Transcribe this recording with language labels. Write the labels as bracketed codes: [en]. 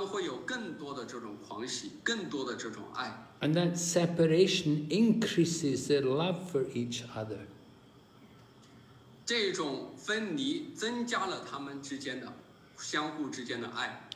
[zh] 我们也得理解到，通过他们之间的这种分离，当他们再一次相聚的时候，他们会有更多的这种狂喜，更多的这种爱。 [en] And that separation increases their love for each other. [zh] 这种分离增加了他们之间的相互之间的爱。